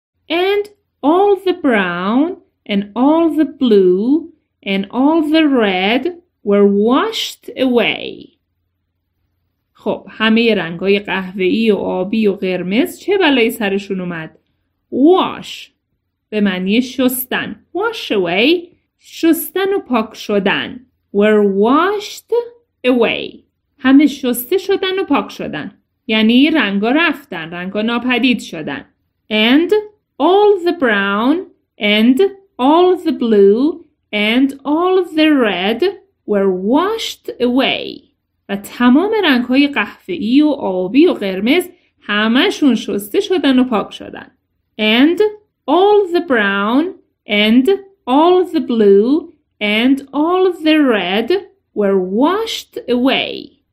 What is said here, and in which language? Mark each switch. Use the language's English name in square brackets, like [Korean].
[English] And all the brown and all the blue and all the red were washed away. [Persian] خب همه رنگای قهوه‌ای و آبی و قرمز چه بلایی سرشون اومد؟ Wash به معنی شستن. [English] Wash away [Persian] شستن و پاک شدن. [English] Were washed away [Persian] همه شسته شدن و پاک شدن. یعنی رنگا رفتن، رنگا ناپدید شدن. [English] And all the brown and all the blue and all the red were washed away. [Persian] و تمام رنگ‌های قهوه‌ای و آبی و قرمز همه‌شون شسته شدن و پاک شدن. [English] And all the brown and all the blue and all the red were washed away.